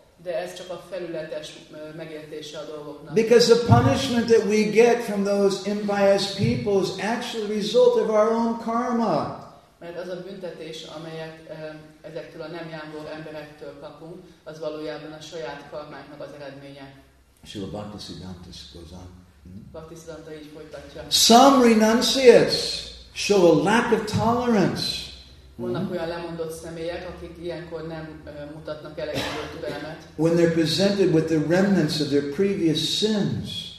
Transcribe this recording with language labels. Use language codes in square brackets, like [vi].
[hu] De ez csak a felületes megértése a dolgoknak. [en] Because the punishment that we get from those impious people is actually a result of our own karma. [hu] Mert az a büntetés, amelyet ezektől a nem jámbor emberektől kapunk, az valójában a saját karmánknak az eredménye. [en] Srila Bhaktisiddhanta goes on. [hu] Bhaktisiddhanta így folytatja. [en] Some renunciates show a lack of tolerance. [hu] Vannak olyan lemondott személyek, akik ilyenkor nem mutatnak elegendő türelmet. [en] When they're presented with the remnants of their previous sins.